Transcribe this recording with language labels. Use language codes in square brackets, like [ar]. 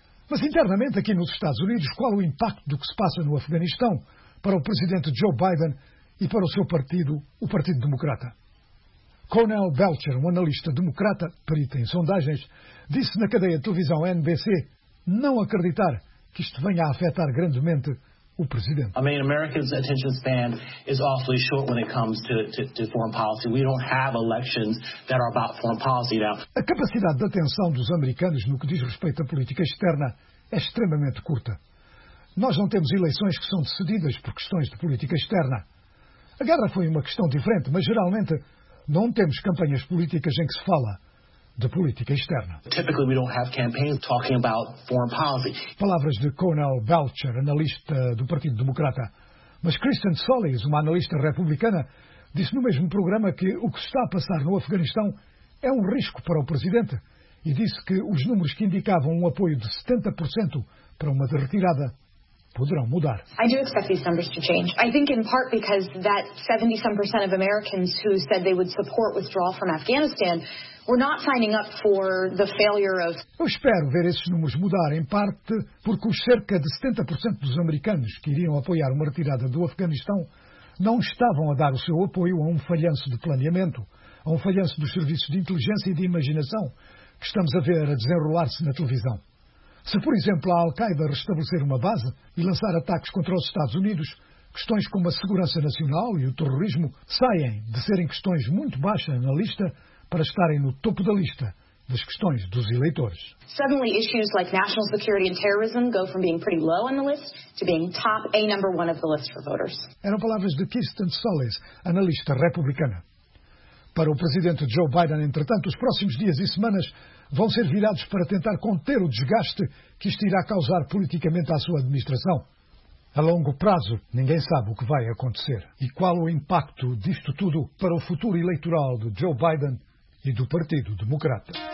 [pt] Mas internamente aqui nos Estados Unidos, qual o impacto do que se passa no Afeganistão para o presidente Joe Biden e para o seu partido, o Partido Democrata? Cornel Belcher, um analista democrata, perito em sondagens, disse na cadeia de televisão NBC não acreditar que isto venha a afetar grandemente o presidente. [en] I mean, America's attention span is awfully short when it comes to foreign policy. We don't have elections that are about foreign policy now. [pt] A capacidade de atenção dos americanos no que diz respeito à política externa é extremamente curta. Nós não temos eleições que são decididas por questões de política externa. A guerra foi uma questão diferente, mas geralmente não temos campanhas políticas em que se fala de política externa. [en] Typically we don't have campaigns talking about foreign policy. [pt] Palavras de Cornel Belcher, analista do Partido Democrata. Mas Kristen Solis, uma analista republicana, disse no mesmo programa que o que está a passar no Afeganistão é um risco para o presidente e disse que os números que indicavam um apoio de 70% para uma retirada poderão mudar. [en] I do expect these numbers to change. I think in part because that 70-some% of Americans who said they would support withdrawal from Afghanistan were not signing up for the failure of... [pt] Eu espero ver esses números mudar, em parte porque os cerca de 70% dos americanos que iriam apoiar uma retirada do Afeganistão não estavam a dar o seu apoio a um falhanço de planeamento, a um falhanço dos serviços de inteligência e de imaginação que estamos a ver a desenrolar-se na televisão. Se, por exemplo, a Al-Qaeda restabelecer uma base e lançar ataques contra os Estados Unidos, questões como a segurança nacional e o terrorismo saem de serem questões muito baixas na lista para estarem no topo da lista das questões dos eleitores. [en] Suddenly issues like national security and terrorism go from being pretty low on the list to being top A number one of the list for voters. [pt] Eram palavras de Kirsten Solis, analista republicana. Para o presidente Joe Biden, entretanto, os próximos dias e semanas vão ser virados para tentar conter o desgaste que isto irá causar politicamente à sua administração. A longo prazo, ninguém sabe o que vai acontecer e qual o impacto disto tudo para o futuro eleitoral de Joe Biden e do Partido Democrata.